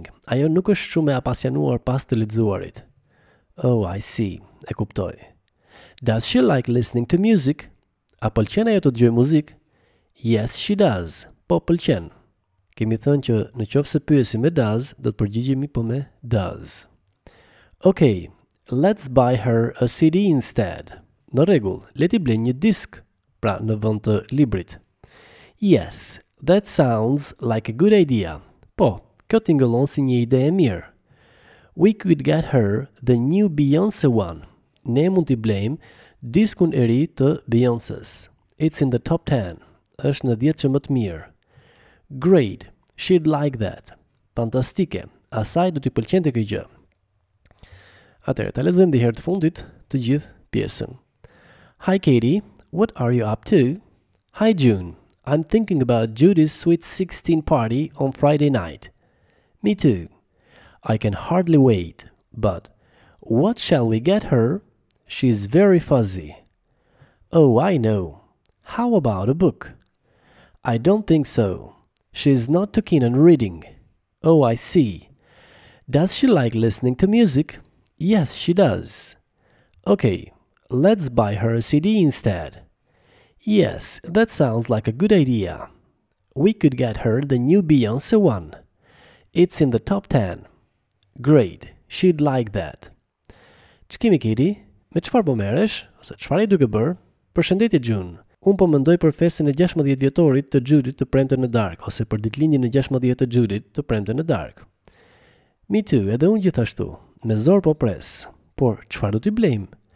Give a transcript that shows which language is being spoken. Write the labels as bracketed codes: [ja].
[sq] Ajo nuk është shumë e apasionuar pas të lexuarit. [en] Oh, I see. [sq] E kuptoj. [en] Does she like listening to music? [sq] A pëlqen ajo të dëgjoj muzikë? [en] Yes, she does. [sq] Po pëlqen. Kemi thënë që në qoftë se pyesim me does, do të përgjigjemi po me does. [en] Okay, let's buy her a CD instead. [sq] Në rregull, le ti blej një disk, pra në vend të librit. [en] Yes, that sounds like a good idea. [sq] Po, kjo tingëllon si një ide e mirë. [en] We could get her the new Beyoncé one. [sq] Ne mund t'i blejmë diskun e ri të Beyoncé's. [en] It's in the top 10. [sq] Është në 10 që më të mirë. [en] Great, she'd like that. [sq] Fantastike. Asaj do t'i pëlqente kjo gjë. Atëherë, ta lexojmë edhe herë të fundit të gjithë pjesën. [en] Hi Katie, what are you up to? Hi June, I'm thinking about Judy's sweet 16 party on Friday night. Me too. I can hardly wait. But what shall we get her? She's very fuzzy. Oh, I know. How about a book? I don't think so. She's not too keen on reading. Oh, I see. Does she like listening to music? Yes, she does. Okay, let's buy her a CD instead. Yes, that sounds like a good idea. We could get her the new Beyoncé one. It's in the top 10. Great, she'd like that. [sq] Çkimi Kitty, me çfarë po merresh ose çfarë i duke bër? Përshëndetje June. Un po mendoj për festën e 16 vjetorit të Judit të premte në dark ose për ditëlindjen e 16 të Judit të premte në dark. [en] Me too, [sq] edhe un gjithashtu. Me zor po pres. Por çfarë do t'i blejmë?